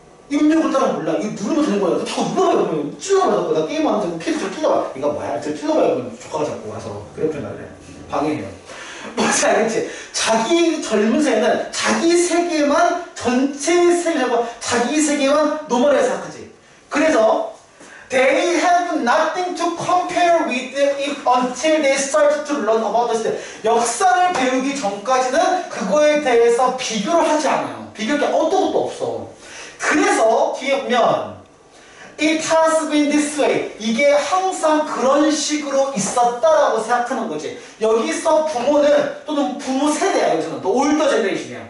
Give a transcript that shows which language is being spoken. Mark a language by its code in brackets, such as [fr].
[ko] 입력을 따라 몰라. 이거 누르면 되는 거야. 자꾸 눌러봐요. 그러면 튀어나와. 나 게임하는 데 계속 저 튀어나와. 이거 뭐야? 저 튀어나와. 그러면 조카가 자꾸 와서 그렇게 날래. 방해해요. 뭔지 알겠지? 자기 젊은 세대는 자기 세계만 전체 세계라고 자기 세계만 노멀하게 생각하지. 그래서 [en] They have nothing to compare with it until they start to learn about this. [ko] 역사를 배우기 전까지는 그거에 대해서 비교를 하지 않아요. 비교할 게 어떤 것도 없어. 그래서 뒤에 보면 [en] It has been this way. [ko] 이게 항상 그런 식으로 있었다라고 생각하는 거지. 여기서 부모는 또는 부모 세대야. 여기서는 또 올더 제네레이션이야.